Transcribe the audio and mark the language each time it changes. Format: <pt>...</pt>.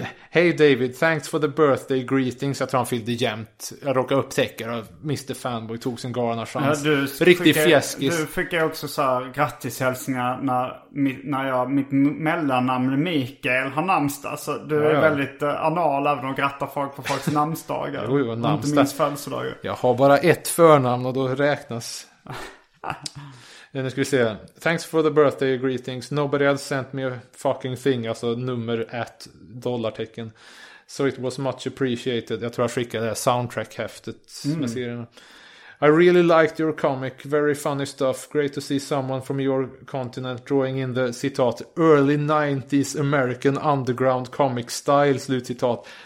<en>Hey David, thanks for the birthday greetings.</en> <sv>Jag tror han fyllde jämnt. Jag råkade upptäcka det. Mr. Fanboy tog sin galna chans. Ja, riktig fjäskis. Du fick jag också så här grattishälsningar när jag, mitt mellannamn Mikael har namnsdag. Så du är väldigt anal även att gratta folk på folks namnsdagar. Jo, jag har namnsdag. Inte minst födelsedag. Jag har bara ett förnamn och då räknas. Nu ska vi se.</sv> <en>Thanks for the birthday greetings. Nobody had sent me a fucking thing.</en> <sv>Alltså nummer ett dollartecken.</sv> <en>So it was much appreciated.</en> <sv>Jag tror jag skickade det här soundtrack-häftet med serien.</sv> <en>I really liked your comic. Very funny stuff. Great to see someone from your continent drawing in the, citat, early 90s American underground comic style,</en> <sv>slut citat.</sv>